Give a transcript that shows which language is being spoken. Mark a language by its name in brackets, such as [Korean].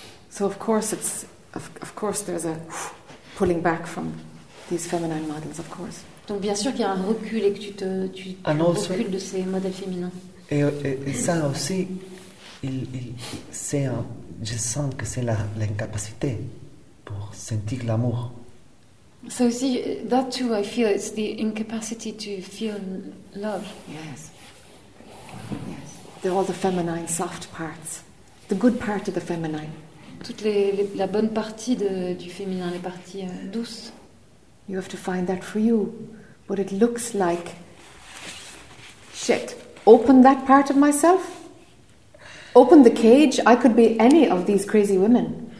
[English] So of course it's of course there's a pulling back from these feminine models, of course. [French] Donc bien sûr qu'il y a un recul et que tu recules de ces modèles féminins. Et ça aussi, je sens que c'est l'incapacité pour sentir l'amour. [English] So see, that too, I feel it's the incapacity to feel love. Yes. Yes. They're all the feminine soft parts, the good part of the feminine. [French] Toutes les la bonne partie du féminin, les parties douces. [English] You have to find that for you, what it looks like. Shit. Open that part of myself. Open the cage. I could be any of these crazy women.